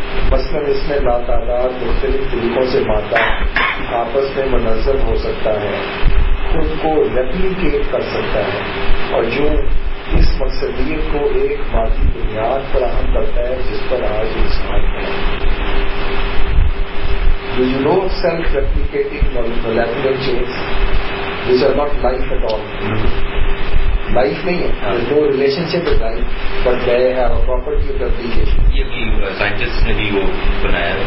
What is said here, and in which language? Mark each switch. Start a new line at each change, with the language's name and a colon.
Urdu: مثلاً اس میں لا تعداد مختلف طریقوں سے مادہ آپس میں منظم ہو سکتا ہے، خود کو ریپلیکیٹ کر سکتا ہے اور جو اس مقصدیت کو ایک مادی بنیاد فراہم کرتا ہے جس پر آج انسان ہے.
English: Do you know self-replicating molecular chains which are not life at all? Life
Urdu: نہیں ہے،
English: there is no relationship with life but they have a property of replication.
Urdu: یہ بھی سائنٹسٹ نے بھی وہ بنایا